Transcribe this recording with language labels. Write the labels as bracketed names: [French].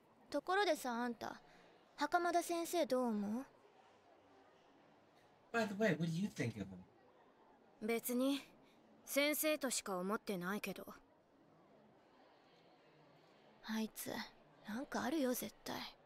[Japanese] ところでさ、あんた、 袴田先生どう思う? [English] By the way, what do you think of him? [Japanese] 別に 先生としか思ってないけど。あいつ、 なんかあるよ、絶対。